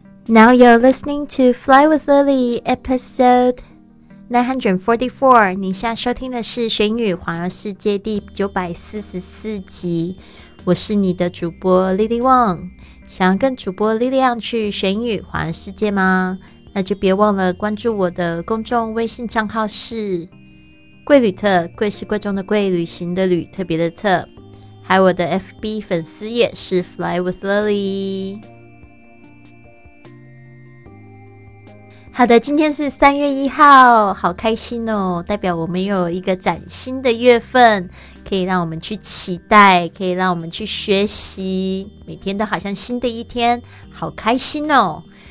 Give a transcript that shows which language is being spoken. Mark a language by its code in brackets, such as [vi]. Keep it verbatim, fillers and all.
[en] Now you're listening to Fly with Lily, episode nine forty-four. [zh] 你现在收听的是《学英语环游世界》第九百四十四集。我是你的主播 Lily Wang。想要跟主播 Lily Wang去学英语环游世界吗？那就别忘了关注我的公众微信账号是贵旅特，贵是贵重的贵，旅行的旅，特别的特。还有我的 F B 粉丝页是 Fly with Lily。好的，今天是三月一号，好开心哦，代表我们有一个崭新的月份，可以让我们去期待，可以让我们去学习，每天都好像新的一天，好开心哦。